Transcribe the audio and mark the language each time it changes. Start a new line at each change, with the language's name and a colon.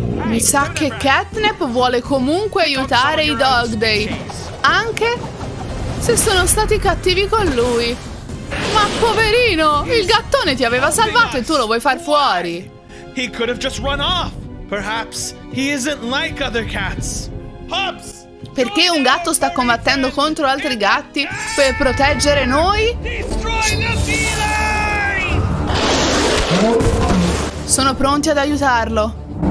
Italian: Mi sa che Catnip vuole comunque aiutare i Dog Day, anche se sono stati cattivi con lui. Ma poverino, il gattone ti aveva salvato e tu lo vuoi far fuori.
English: He could have just run off. Perhaps he isn't like other cats. Hops!
Italian: Perché un gatto sta combattendo contro altri gatti per proteggere noi? Sono pronti ad aiutarlo.